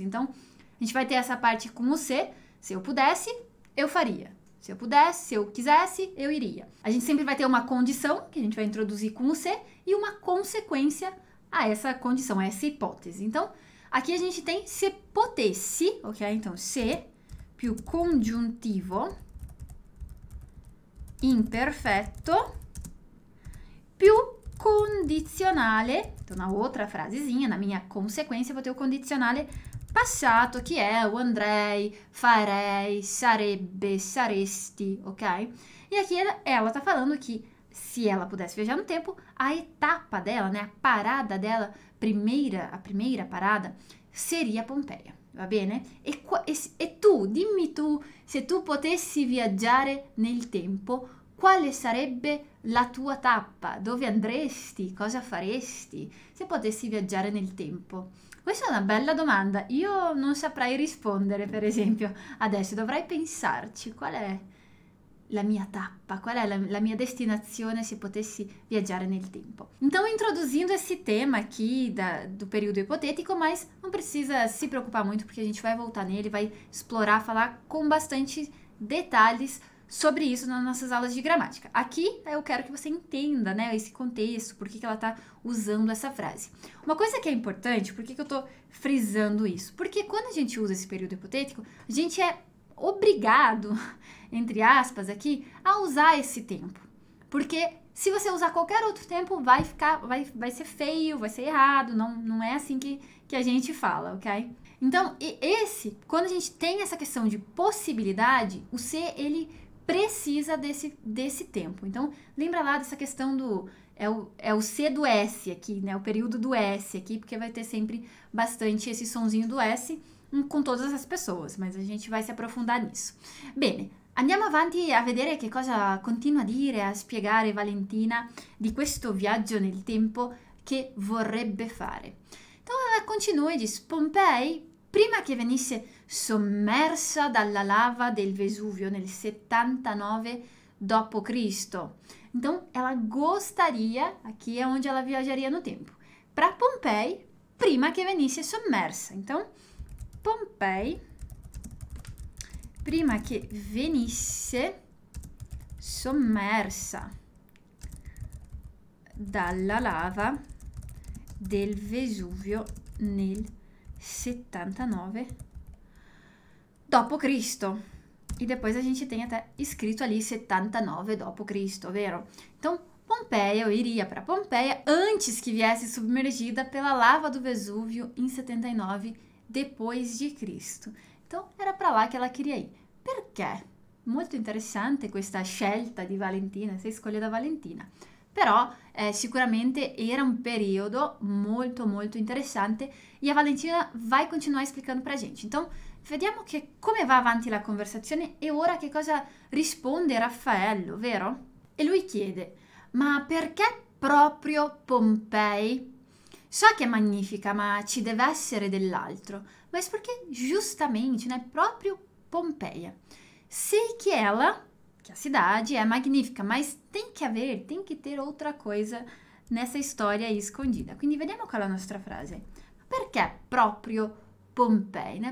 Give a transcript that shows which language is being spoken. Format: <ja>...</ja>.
<pt>Então, a gente vai ter essa parte com o se eu pudesse, eu faria. Se eu pudesse, se eu quisesse, eu iria. A gente sempre vai ter uma condição, que a gente vai introduzir com o se, e uma consequência a essa condição, a essa hipótese. Então, aqui a gente tem</pt> <it>se potesse,</it> <pt>ok?</pt> <it>Então, se più congiuntivo imperfetto più condizionale.</it> <pt>Então, na outra frasezinha, na minha consequência, vou ter o condizionale passato, que é o andrei, farei, sarebbe, saresti, ok? E aqui ela tá falando que se ela pudesse viajar no tempo, a etapa dela, né, a parada dela, a primeira parada, seria Pompeia.</pt> <it>Va bene? E tu, dimmi tu, se tu potessi viaggiare nel tempo, quale sarebbe la tua tappa? Dove andresti? Cosa faresti se potessi viaggiare nel tempo? Questa è una bella domanda. Io non saprei rispondere, per esempio, adesso. Dovrei pensarci, qual è la mia tappa? Qual è la mia destinazione se potessi viaggiare nel tempo?</it> <pt>Então, introduzindo esse tema aqui do período ipotético, mas não precisa se preocupar muito, porque a gente vai voltar nele, vai explorar, falar com bastante detalhes sobre isso nas nossas aulas de gramática. Aqui eu quero que você entenda, né, esse contexto, por que ela está usando essa frase. Uma coisa que é importante, por que eu estou frisando isso? Porque quando a gente usa esse período hipotético, a gente é obrigado, entre aspas aqui, a usar esse tempo. Porque se você usar qualquer outro tempo, vai ser feio, vai ser errado, não é assim que a gente fala, ok? Então, quando a gente tem essa questão de possibilidade, o ser, ele precisa desse tempo. Então, lembra lá dessa questão do é o C do S aqui, né? O período do S aqui, porque vai ter sempre bastante esse sonzinho do S com todas as pessoas, mas a gente vai se aprofundar nisso.</pt> <it>Bene, andiamo avanti a vedere che cosa continua a dire, a spiegare Valentina di questo viaggio nel tempo che vorrebbe fare.</it> <pt>Então, ela continua e diz:</pt> <it>Pompei, prima che venisse sommersa dalla lava del Vesuvio nel 79 d.C.</it> <pt>Então, ela gostaria, aqui é onde ela viajaria no tempo, para Pompei,</pt> <it>prima che venisse sommersa. Então, Pompei, prima che venisse sommersa dalla lava del Vesuvio nel 79 dopo Cristo.</it> <pt>E depois a gente tem até escrito ali</pt> <it>79 dopo Cristo, vero?</it> <pt>Então, Pompeia, eu iria para Pompeia antes que viesse submergida pela lava do Vesúvio em 79 depois de Cristo. Então, era para lá que ela queria ir.</pt> <it>Perché? Molto interessante questa scelta di Valentina,</it> <pt>essa escolha da Valentina.</pt> <it>Però sicuramente</it> <pt>era um período</pt> <it>molto, molto interessante</it> <pt>e a Valentina vai continuar explicando pra gente.</pt> <it>Então, vediamo che come va avanti la conversazione e ora che cosa risponde Raffaello, vero? E lui chiede: ma perché proprio Pompei? So che è magnifica, ma ci deve essere dell'altro. Ma è perché giustamente, né, proprio Pompeia?</it> <pt>Sei che ela,</pt> <it>che la città è magnifica, ma</it> <pt>tem que haver, tem que ter outra coisa nessa história aí escondida.</pt> <it>Quindi vediamo qual è la nostra frase. Perché proprio Pompei, né?</it>